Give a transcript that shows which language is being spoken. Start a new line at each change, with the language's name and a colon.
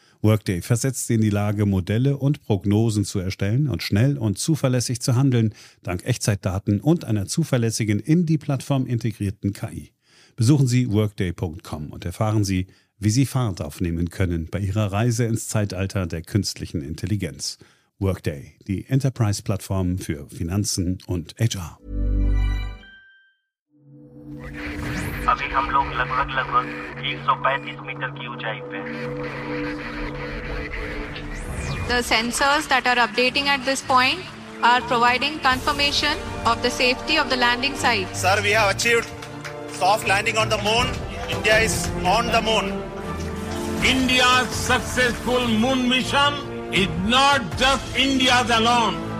German: Workday versetzt Sie in die Lage, Modelle und Prognosen zu erstellen und schnell und zuverlässig zu handeln, dank Echtzeitdaten und einer zuverlässigen, in die Plattform integrierten KI. Besuchen Sie workday.com und erfahren Sie, wie Sie Fahrt aufnehmen können bei Ihrer Reise ins Zeitalter der künstlichen Intelligenz. Workday, die Enterprise-Plattform für Finanzen und HR.
Hindi: अभी हम लोग लगभग लगभग 135 metre की ऊंचाई पे हैं।
English: The sensors that are updating at this point are providing confirmation of the safety of the landing site. Sir, we have achieved soft landing on the moon. India is on the moon. India's successful moon mission is not just India's alone.